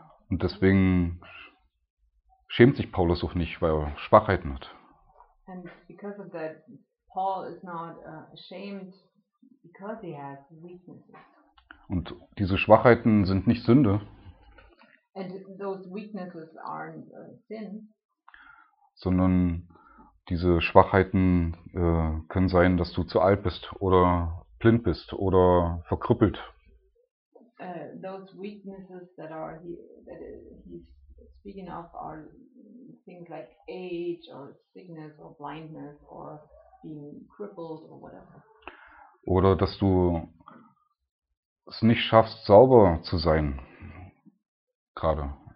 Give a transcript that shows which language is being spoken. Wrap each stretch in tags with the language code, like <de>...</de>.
<de>Und deswegen schämt sich Paulus auch nicht, weil er Schwachheiten hat.</de> <en>And because of that, Paul is not ashamed because he has weaknesses.</en> <de>Und diese Schwachheiten sind nicht Sünde.</de> <en>those weaknesses are sin.</en> <de>Sondern diese Schwachheiten können sein, dass du zu alt bist oder blind bist oder verkrüppelt.</de> <en>Those weaknesses that are he's speaking of are things like age or sickness or blindness or being crippled or whatever.</en> <de>Oder dass du es nicht schaffst, sauber zu sein, gerade.</de>